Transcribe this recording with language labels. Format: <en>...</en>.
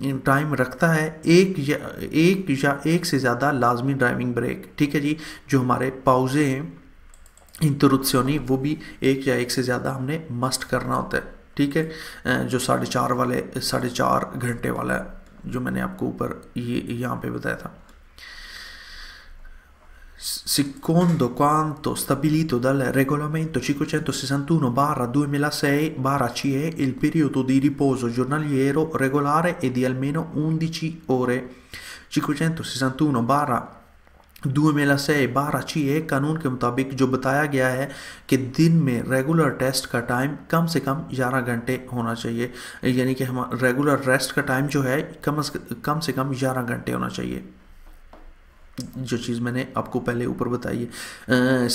<hi>Time रखता है एक से ज़्यादा लाजमी ड्राइविंग ब्रेक, ठीक है जी, जो हमारे पाउजे हैं इंटरुप्शनी, वो भी एक या एक से ज़्यादा हमने मस्ट करना होता है, ठीक है, जो 4.5 घंटे वाला है जो मैंने आपको ऊपर ये यहाँ पे बताया था।</hi> <it>Secondo quanto stabilito dal regolamento 561 barra 2006 barra CE, il periodo di riposo giornaliero regolare è di almeno 11 ore.</it> <hi>561 barra 2006 barra CE, कानून के मुताबिक जो बताया गया है कि दिन में रेगुलर टेस्ट का टाइम कम से कम 11 घंटे होना चाहिए, यानी कि हम रेगुलर रेस्ट का टाइम जो है कम से कम 11 घंटे होना चाहिए, जो चीज़ मैंने आपको पहले ऊपर बताई है।</hi>